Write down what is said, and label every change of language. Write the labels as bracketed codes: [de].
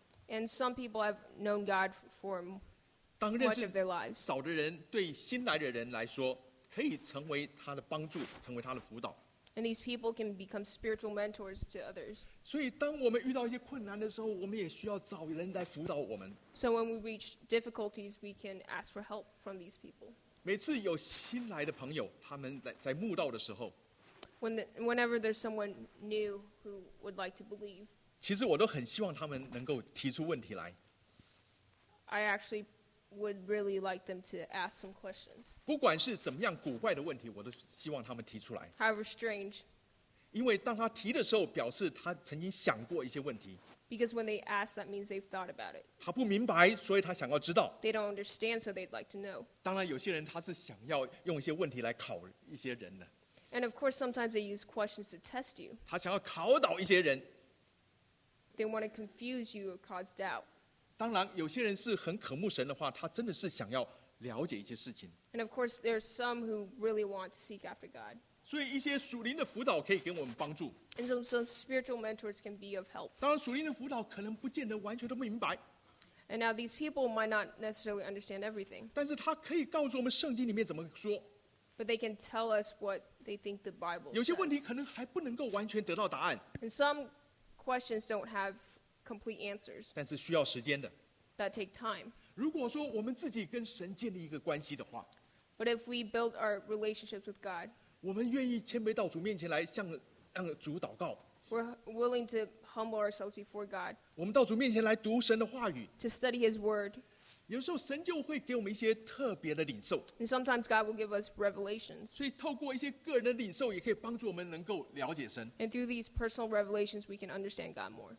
[en] And some people have known God for much of their lives. [zh] 早的人对新来的人来说。可以成为他的帮助，成为他的辅导。 [en] And these people can become spiritual mentors to others. [zh] 所以当我们遇到一些困难的时候，我们也需要找人来辅导我们。 [en] So when we reach difficulties, we can ask for help from these people. [zh] 每次有新来的朋友，他们在慕道的时候。 [en] Whenever there's someone new who would like to believe. [zh] 其实我都很希望他们能够提出问题来。 [en] I actually would really like them to ask some questions. [zh] 不管是怎么样古怪的问题, 我都希望他们提出来。 [en] However strange. [zh] 因为当他提的时候, 表示他曾经想过一些问题。 [en] Because when they ask, that means they've thought about it. [zh] 他不明白, 所以他想要知道。 [en] They don't understand, so they'd like to know. [zh] 当然有些人他是想要用一些问题来考一些人的。 [en] And of course, sometimes they use questions to test you. [zh] 他想要考倒一些人。 [en] They want to confuse you or cause doubt. [zh] 当然有些人是很渴慕神的话，他真的是想要了解一些事情。 [en] And of course, there are some who really want to seek after God. [zh] 所以一些属灵的辅导可以给我们帮助。 [en] And some spiritual mentors can be of help. [zh] 当然属灵的辅导可能不见得完全都明白。 [en] And now these people might not necessarily understand everything. [zh] 但是他可以告诉我们圣经里面怎么说。 [en] But they can tell us what they think the Bible says. [zh] 有些问题可能还不能够完全得到答案。 [en] And some questions don't have complete answers. [zh] 但是需要时间的。 [en] That take time. [zh] 如果说我们自己跟神建立一个关系的话, [en] but if we build our relationships with God, [zh] 我们愿意谦卑到主面前来向主祷告, [en] we're willing to humble ourselves before God, [zh] 我们到主面前来读神的话语, [en] to study His word, [zh] 有时候神就会给我们一些特别的领受, [en] and sometimes God will give us revelations. [zh] 所以透过一些个人的领受也可以帮助我们能够了解神, [en] and through these personal revelations, we can understand God more.